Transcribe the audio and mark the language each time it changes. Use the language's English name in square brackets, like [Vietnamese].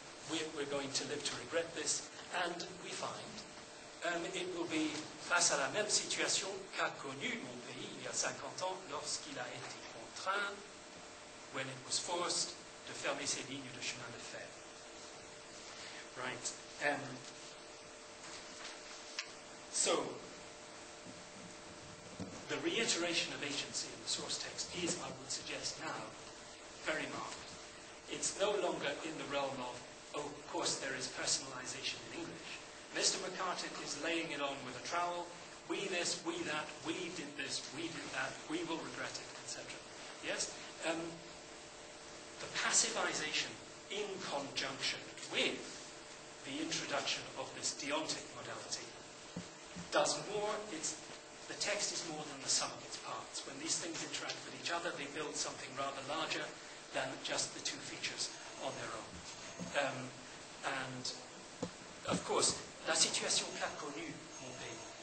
[English] We're going to live to regret this, and we find it will be [French] face à la même situation qu'a connu mon pays il y a 50 ans lorsqu'il a été contraint, [English] when it was forced, [French] de fermer ses lignes de chemin de fer. [English] Right. So, the reiteration of agency in the source text is, I would suggest now, very marked. It's no longer in the realm of, oh, of course there is personalization in English. Mr. McCartan is laying it on with a trowel, we this, we that, we did this, we did that, we will regret it, etc. Yes? The passivization in conjunction with the introduction of this deontic modality does more, the text is more than the sum of its parts. When these things interact with each other, they build something rather larger than just the two features on their own. And, of course, [French] la situation qu'a connue, mon pays.